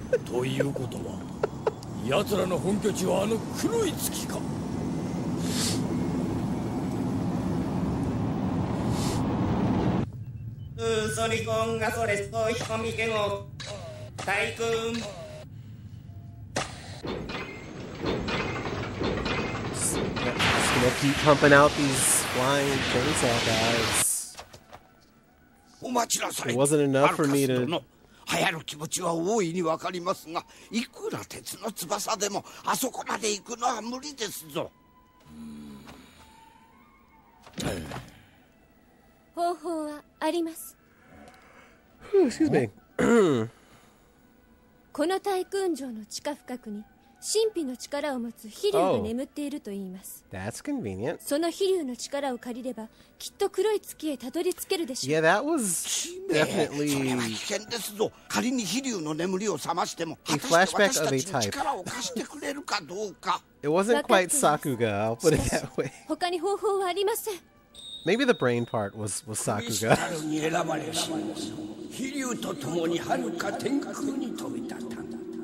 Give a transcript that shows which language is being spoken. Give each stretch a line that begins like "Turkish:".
Japanese: ということは、奴らの本拠地はあの黒い月か。ウーソニコンガソレスコヒコミケゴ、タイクーン。
English: Just gonna keep pumping out these flying chainsaw guys.
Japanese: お待ちなさい。
English: It wasn't enough for me to...
Japanese: 流行る気持ちは大いにわかりますが、いくら鉄の翼でもあそこまで行くのは無理ですぞ。方法はあります。
English: Excuse me.
Japanese: このタイクーン城の地下深くに神秘の力を持つ飛竜が眠っていると言います。
English: That's convenient.
Japanese: その飛竜の力を借りればきっと黒い月へたどり着けるでしょう。
English: Yeah, that was definitely...
Japanese: それは危険ですぞ。仮に飛竜の眠りを覚ましても果たして私たちの力を貸してくれるかどうか。
English: It wasn't quite Sakuga, I'll put it that way.
Japanese: 他に方法はありません。
English: Maybe the brain part was Sakuga.
Japanese: クリスタルに選ばれし飛竜と共に遥か天空に飛び立ったんだ。